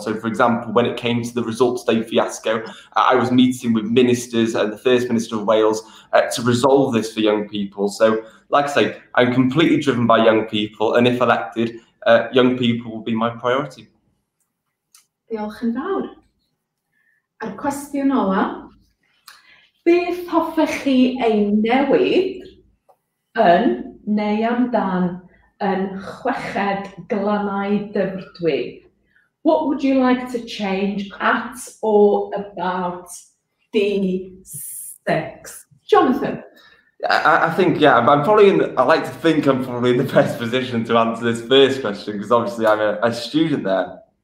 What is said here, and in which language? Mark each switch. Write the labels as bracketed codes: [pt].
[en] So, for example, when it came to the results day fiasco, I was meeting with ministers and the First Minister of Wales to resolve this for young people. So, like I say, I'm completely driven by young people, and if elected, young people will be my priority. [cy] Diolch yn fawr. A'r cwestiwn ola, beth hoffech chi ei newid yn neu amdan yn chweched glannau dyfrdwy? [en] What would you like to change at or about D6th? Jonathan? I think I'm probably in the best position to answer this first question, because obviously I'm a student there.